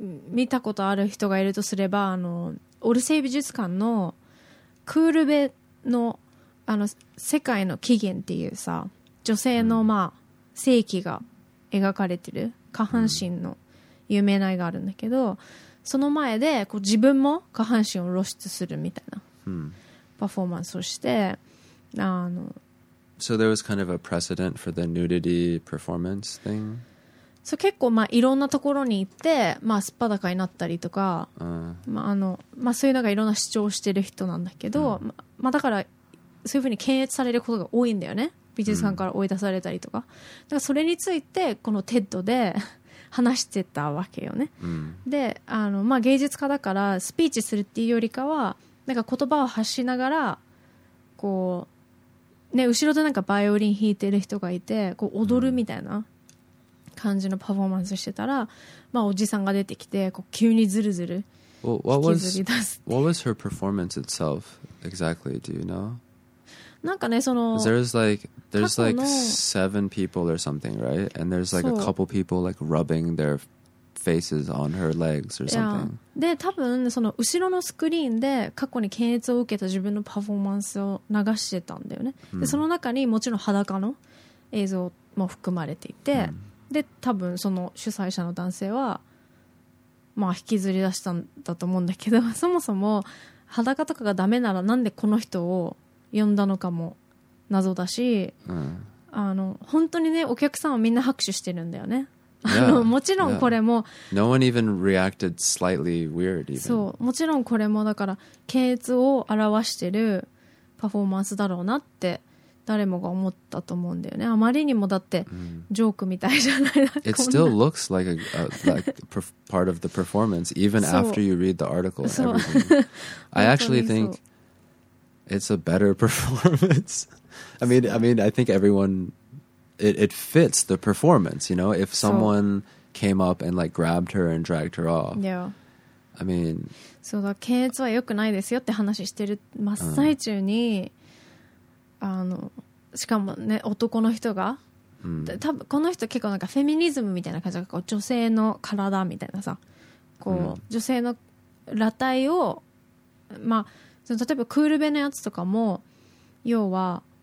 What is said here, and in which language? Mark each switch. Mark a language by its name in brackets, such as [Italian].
[Japanese] 見たことある人がいるとすれば、あの、オルセイ美術館のクールベのあの世界の起源っていうさ、女性のまあ性器が描かれてる下半身の有名な絵があるんだけど、その前でこう自分も下半身を露出するみたいなパフォーマンスをして、あの、 [English] So there was kind of a precedent for the nudity performance thing? [Japanese] So 結構まあいろんなところに行ってまあ素っ裸になったりとか、まああの、まあ、そういうのがいろんな主張をしてる人なんだけど、まあだからそういうふうに検閲されることが多いんだよね、美術館から追い出されたりとか。だからそれについてこのテッドで話してたわけよね、うん、で、まあ、芸術家だからスピーチするっていうよりかはなんか言葉を発しながらこう、ね、後ろでなんかバイオリン弾いてる人がいてこう踊るみたいな感じのパフォーマンスしてたら、うん、まあ、おじさんが出てきてこう急にズルズル引きずり出すって。 [English] What was her performance itself exactly? Do you know? [Japanese] なんかね、その [English] there's like, there's like seven people or something, right? And there's like a couple people like rubbing their faces on her legs or something. [Japanese] で、多分その後ろのスクリーンで過去に検閲を受けた自分のパフォーマンスを流してたんだよね。で、その中にもちろん裸の映像も含まれていて、で、多分その主催者の男性はまあ引きずり出したんだと思うんだけど、そもそも裸とかがダメならなんでこの人を呼んだのかも謎だし、うん、本当にね、お客さんはみんな拍手してるんだよね。 [English] Yeah, [Japanese] もちろんこれも、 [English] yeah. No one even reacted slightly weird even. [Japanese] そう、もちろんこれもだから検閲を表してるパフォーマンスだろうなって誰もが思ったと思うんだよね。あまりにもだってジョークみたいじゃない。 [English] It still looks like part of the performance even after you read the article. [Japanese] そう。 [English] I actually thinkIt's a better performance. I mean, I think everyone, it fits the performance, you know? If someone came up and like grabbed her and dragged her off. Yeah. I mean. [Japanese] そうだ、検閲は良くないですよって話してる真っ最中に、しかもね、男の人が、多分この人結構なんかフェミニズムみたいな感じで、こう女性の体みたいなさ、こう、女性の裸体を、まあ、例えばクールベのやつとかも要は